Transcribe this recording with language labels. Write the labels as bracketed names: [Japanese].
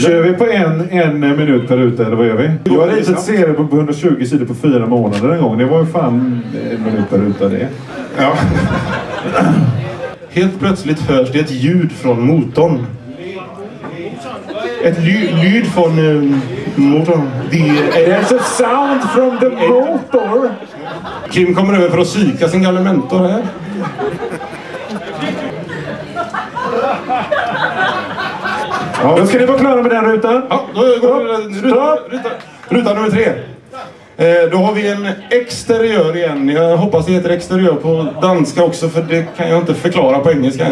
[Swedish] Kör vi på en minut per ruta eller vad gör vi? Jag har ritat serien på 120 sidor på 4 månader en gång. Det var ju fan en minut per ruta det. Ja. Helt plötsligt hörs det ett ljud från motorn. Ett ljud från motorn. [English] There's a sound from the motor. [Swedish] Kim kommer över för att syka sin gamla mentor här. Ja, då ska ni vara klara med den rutan. Ja, då går ruta nummer 3. Då har vi en exteriör igen. Jag hoppas det heter exteriör på danska också, för det kan jag inte förklara på engelska.